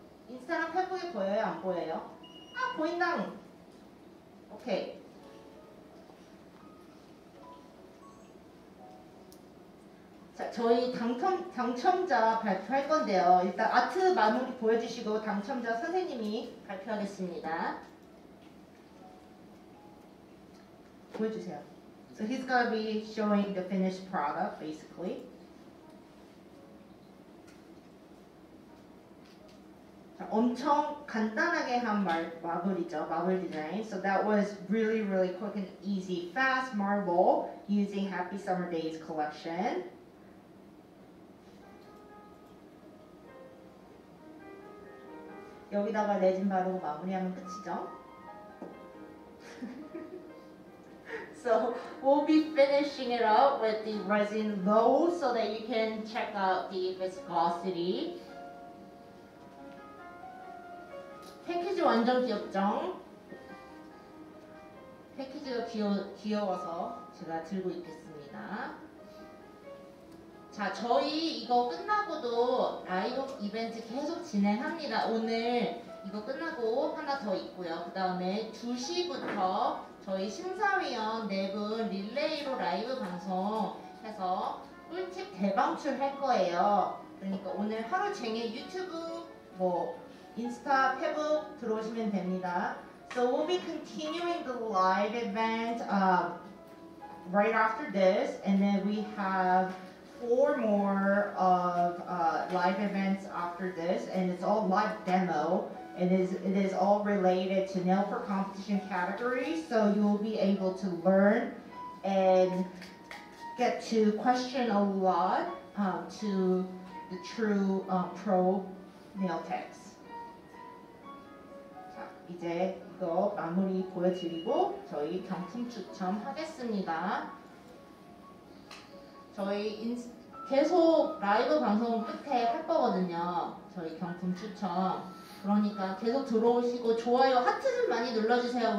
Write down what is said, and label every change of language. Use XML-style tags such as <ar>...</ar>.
<ko>인스타랑 페북에 보여요? 안 보여요? 아, 보인다. 오케이. 자, 저희 당첨자 발표할 건데요. 일단 아트 마무리 보여주시고 당첨자 선생님이 발표하겠습니다. 보여주세요.</ko> <en>So he's gonna be showing the finished product, basically.</en> <ko>자, 엄청 간단하게 한 마블이죠, 마블 디자인.</ko> <en>So that was really, really quick and easy, fast marble using Happy Summer Days collection.</en> <ko>여기다가 레진 바르고 마무리하면 끝이죠?</ko> <en>So we'll be finishing it up with the resin low so that you can check out the viscosity.</en> <ko>패키지 완전 귀엽죠? 패키지가 귀여워서 제가 들고 있겠습니다. 자, 저희 이거 끝나고도 라이브 이벤트 계속 진행합니다. 오늘 이거 끝나고 하나 더 있고요. 그 다음에 2시부터 저희 심사위원 네 분 릴레이로 라이브 방송해서 꿀팁 대방출 할 거예요. 그러니까 오늘 하루 종일 유튜브 뭐 인스타, 페북 들어오시면 됩니다.</ko> <en>So we'll be continuing the live event right after this, and then we have four more of live events after this, and it's all live demo, and it is all related to nail for competition categories, so you'll be able to learn and get to question a lot to the true pro nail techs.</en> <ko>이제 이거 마무리 보여드리고 저희 경품 추첨 하겠습니다. 저희 계속 라이브 방송 끝에 할 거거든요. 저희 경품 추첨. 그러니까 계속 들어오시고 좋아요 하트 좀 많이 눌러주세요.</ko>